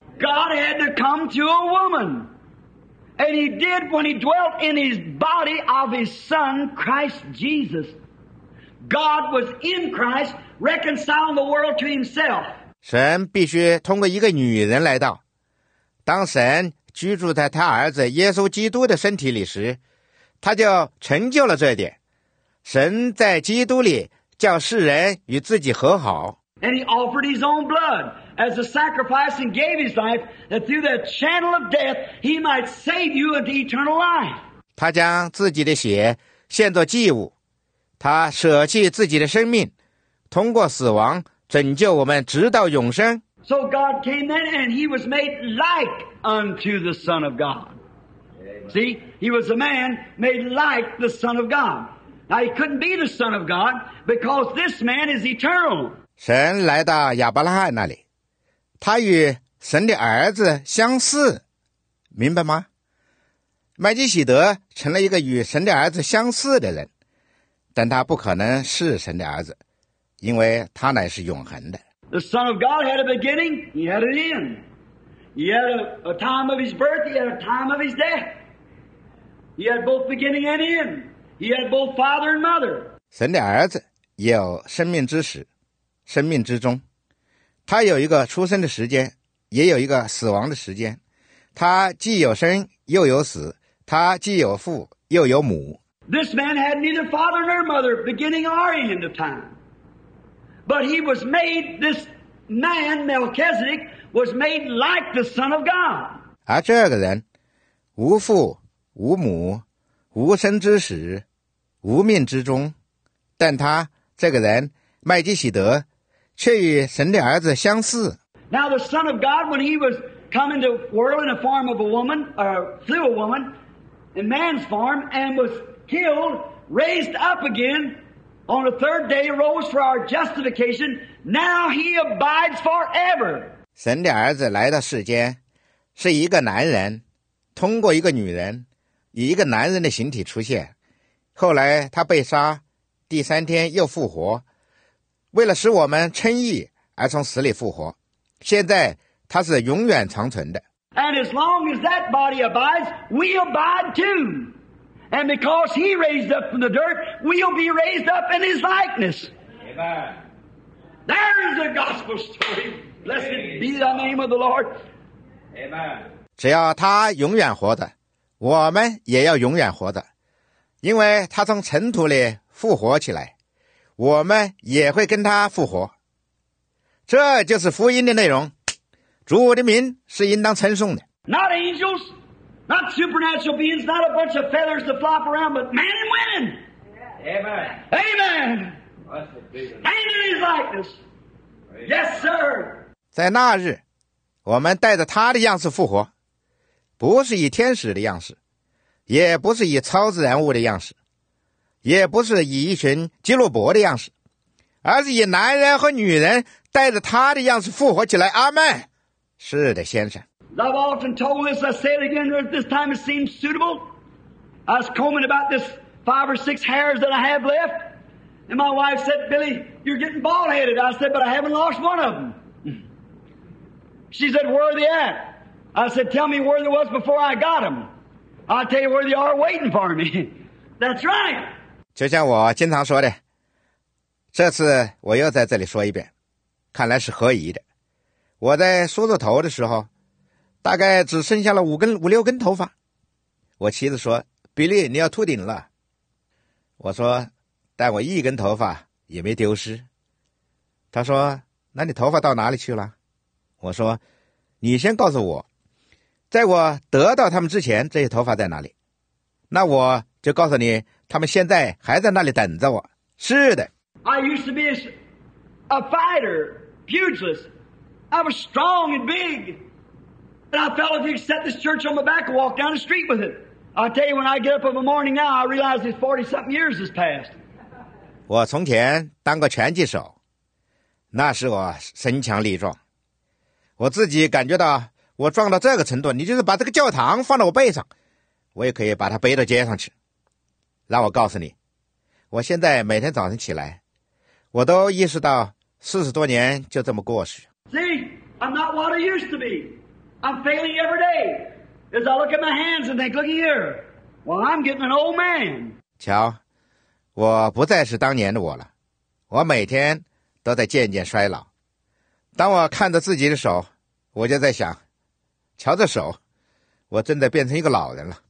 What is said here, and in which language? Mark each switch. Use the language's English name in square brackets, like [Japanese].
[English] God had to come to a woman, and he did when he dwelt in his body of his son, Christ Jesus. God was in Christ, reconciling the world to himself. [Chinese] 神必须通过一个女人来到，当神居住在他儿子耶稣基督的身体里时，他就成就了这一点。神在基督里叫世人与自己和好。 [English] And he offered his own blood as a sacrifice and gave his life that through that channel of death he might save you into eternal life. [Chinese] 他将自己的血献作祭物，他舍弃自己的生命，通过死亡拯救我们直到永生。 [English] So God came then and he was made like unto the Son of God. See, he was a man made like the Son of God. Now, he couldn't be the Son of God because this man is eternal. [Chinese] 神来到亚伯拉罕那里，他与神的儿子相似，明白吗？麦基洗德成了一个与神的儿子相似的人，但他不可能是神的儿子，因为他乃是永恒的。 [English] The Son of God had a beginning, he had an end. He had a time of his birth, he had a time of his death. He had both beginning and end. He had both father and mother. [Chinese] 神的儿子有生命之始，生命之终。他有一个出生的时间，也有一个死亡的时间。他既有生又有死，他既有父又有母。 [English] This man had neither father nor mother, beginning or end of time. But he was made, this man, Melchizedek, was made like the Son of God. [Chinese] 而这个人，无父，无母，无生之始。无命之中，但他这个人麦基洗德却与神的儿子相似。 [English] Now the Son of God, when he was coming to world in a form of a woman, or through a woman, in man's form, and was killed, raised up again on the third day, rose for our justification. Now he abides forever. [Chinese] 神的儿子来到世间，是一个男人，通过一个女人而来，而且他与神的儿子相似。通过一个女人以一个男人的形体出现，后来他被杀，第三天又复活，为了使我们称义而从死里复活，现在他是永远长存的。 [English] And as long as that body abides, we abide too. And because he raised up from the dirt, we'll be raised up in his likeness. Amen. There is a gospel story. Blessed be the name of the Lord. Amen. [Chinese] 只要他永远活着，我们也要永远活着，因为他从尘土里复活起来，我们也会跟他复活。这就是福音的内容，主的名是应当称颂的。 [English] Not angels, not supernatural beings, not a bunch of feathers to flop around, but men and women. Amen. Amen. And in his likeness. Yes, sir. [Chinese] 在那日，我们带着他的样式复活，不是以天使的样式，也不是以超自然物的样式，也不是以一群基路伯的样式，而是以男人和女人带着他的样式复活起来。阿们。是的，先生。 [English] I've often told this, I say it again, at this time it seems suitable. I was combing about this five or six hairs that I have left, and my wife said, Billy, you're getting bald-headed. I said, but I haven't lost one of them. She said, where are they at? I said, tell me where they was before I got them. I'll tell you where they are waiting for me. That's right. [Chinese] 就像我经常说的，这次我又在这里说一遍，看来是合宜的。我在梳着头的时候，大概只剩下了五六根头发。我妻子说：“比利，你要秃顶了。” 我说：“但我一根头发也没丢失。” 他说：“那你头发到哪里去了？” 我说：“你先告诉我，在我得到他们之前，这些头发在哪里？那我就告诉你，他们现在还在那里等着我。” 是的。 [English] I used to be a fighter, pugilist. I was strong and big, and I felt if you set this church on my back and walk down the street with it. I tell you, when I get up in the morning now, I realize it's 40-something years has passed. [Chinese] 我从前当过拳击手，那时我身强力壮，我自己感觉到我壮到这个程度，你就是把这个教堂放到我背上，我也可以把它背到街上去。让我告诉你，我现在每天早晨起来，我都意识到40多年就这么过去。 [English] See, I'm not what I used to be. I'm failing every day. As I look at my hands and think, look here. Well, I'm getting an old man. [Chinese] 瞧，我不再是当年的我了。我每天都在渐渐衰老。当我看着自己的手，我就在想，瞧这手，我真的变成一个老人了。